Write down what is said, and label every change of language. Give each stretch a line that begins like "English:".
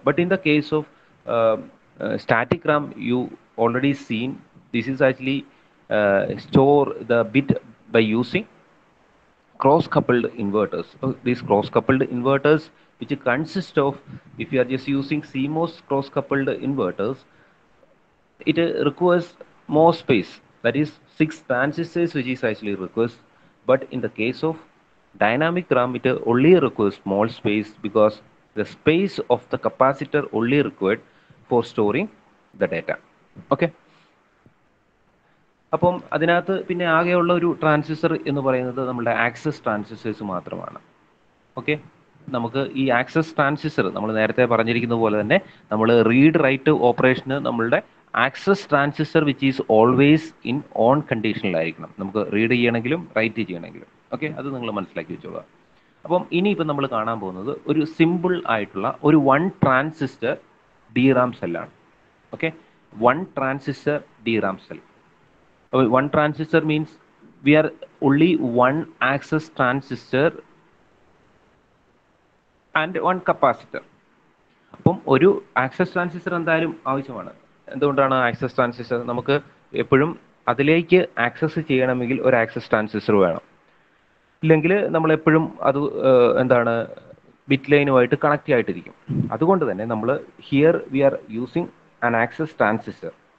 English: But in the case of static RAM, you already seen this is actually store the bit by using cross coupled inverters. These cross coupled inverters which consist of, if you are just using CMOS cross coupled inverters, it requires more space. That is six transistors which is actually requires, but in the case of dynamic RAM it only requires small space because the space of the capacitor only required for storing the data.
Malayalam: Okay, appo adinathu pinne aage ulla oru transistor ennu parayunnathu nammude access transistors mathramana. Okay, നമുക്ക് ഈ access transistor, നമ്മൾ നേരത്തെ പറഞ്ഞിരിക്കുന്ന പോലെ തന്നെ നമ്മൾ read write ഓപ്പറേഷന് നമ്മളുടെ access transistor
English: which is always in on
Malayalam: കണ്ടീഷനിലായിരിക്കണം, നമുക്ക് റീഡ് ചെയ്യണമെങ്കിലും റൈറ്റ് ചെയ്യണമെങ്കിലും. ഓക്കെ, അത് നിങ്ങൾ മനസ്സിലാക്കി വെച്ചോളൂ. അപ്പം ഇനിയിപ്പോൾ നമ്മൾ കാണാൻ പോകുന്നത് ഒരു സിമ്പിൾ ആയിട്ടുള്ള ഒരു one transistor DRAM സെല്ലാണ്. Okay, one transistor DRAM cell. അപ്പോൾ one transistor means
English: we are only one access transistor and one capacitor.
Malayalam: അപ്പം ഒരു ആക്സസ് ട്രാൻസിസ്റ്റർ എന്തായാലും ആവശ്യമാണ്. എന്തുകൊണ്ടാണ് ആക്സസ് ട്രാൻസിസ്റ്റർ? നമുക്ക് എപ്പോഴും അതിലേക്ക് ആക്സസ് ചെയ്യണമെങ്കിൽ ഒരു ആക്സസ് ട്രാൻസിസ്റ്റർ വേണം, ഇല്ലെങ്കിൽ നമ്മൾ എപ്പോഴും അത് എന്താണ് ബിറ്റ് ലൈനുമായിട്ട് കണക്റ്റ് ആയിട്ടിരിക്കും. അതുകൊണ്ട് തന്നെ നമ്മൾ
English: Here we are using an access transistor.